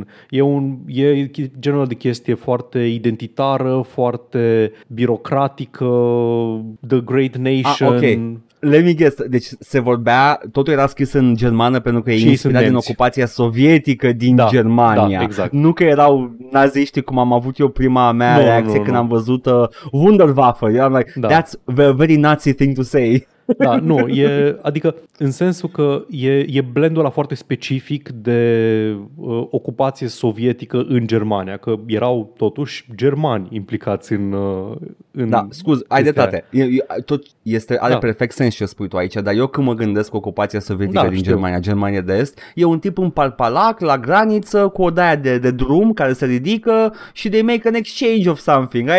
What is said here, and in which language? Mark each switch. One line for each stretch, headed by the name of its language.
Romanian: E genul de chestie foarte identitară, foarte birocratică,
English: The Great Nation. Let me guess,
Romanian: deci se vorbea, totul era scris în germană pentru că e inspirat din ocupația sovietică din Germania. Da, exact. Nu că erau naziști, cum am avut eu prima mea reacție când am văzut Wunderwaffe.
English: I'm like, that's a very Nazi thing to say.
Romanian: Da, nu, e, adică în sensul că e blendul ăla foarte specific de ocupație sovietică în Germania, că erau totuși germani implicați în da, scuz, ai dreptate. Are perfect sens ce spui tu aici, dar eu când mă gândesc ocupația sovietică din Germania de Est, e un tip în palpalac la graniță cu o daia de drum care se ridică și
English: they make an exchange of something.